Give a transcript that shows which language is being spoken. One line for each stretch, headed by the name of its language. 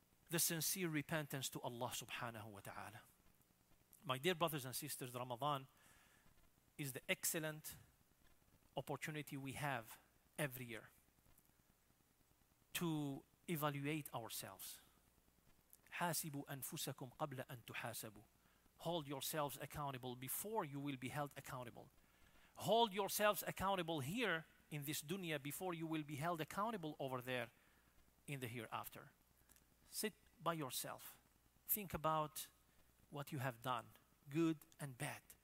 English: The sincere repentance to Allah subhanahu wa ta'ala. My dear brothers and sisters, Ramadan is the excellent opportunity we have every year to evaluate ourselves.
Arabic: حاسبوا أنفسكم قبل أن تحاسبوا.
English: Hold yourselves accountable before you will be held accountable. Hold yourselves accountable here in this dunya before you will be held accountable over there in the hereafter. Sit by yourself. Think about what you have done, good and bad.